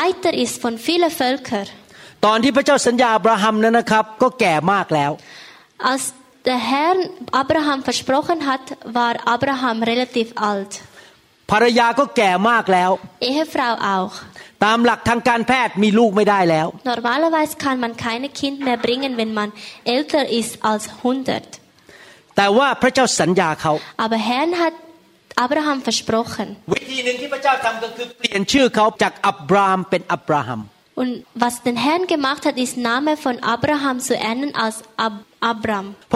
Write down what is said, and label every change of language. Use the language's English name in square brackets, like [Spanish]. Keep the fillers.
[Thai] ต่ตอนที่พระเจ้าสัญญาอับราฮัมนั้นนะครับก็แก่มากแล้ว [German] Als der Herr Abraham versprochen hat, war Abraham relativ alt. [Thai] ภรรยาก็แก่มากแล้ว [German] Ehefrau auch. [Thai] ตามหลักทางการแพทย์มีลูกไม่ได้แล้ว [German] Normalerweise kann man keine Kind mehr bringen wenn man älter ist als 100 [Thai] แต่ว่าพระเจ้าสัญญาเขา [German] Aber Herr hat Abraham versprochen [Thai] วิธีหนึ่งที่พระเ จ้าทำก็คือเปลี่ยนชื่อเขาจากอับราฮัมเป็นอับราฮัม [German] Und was den Herrn gemacht hat, ist Name von Abraham zu ändern als Ab Abraham.